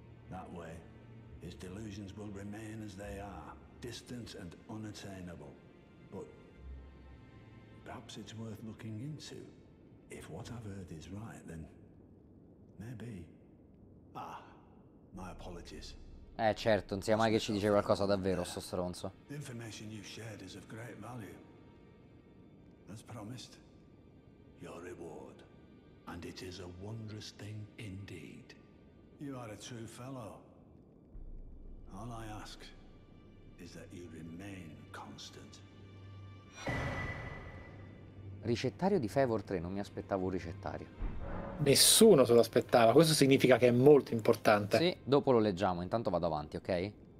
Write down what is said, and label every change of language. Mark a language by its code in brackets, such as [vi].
[en] That way, his delusions will remain as they are, distant and unattainable. Perhaps it's worth looking into. If what I've heard is right, then maybe. Ah, my apologies. [it] Certo, non sia mai che ci dice qualcosa davvero, sto stronzo. [en] The information you've shared is of great value. As promised, your reward. And it is a wondrous thing indeed. You are a true fellow. All I ask is that you remain constant. [it] Ricettario di Favor 3, non mi aspettavo un ricettario. Nessuno se lo aspettava, questo significa che è molto importante. Sì, dopo lo leggiamo, intanto vado avanti, ok?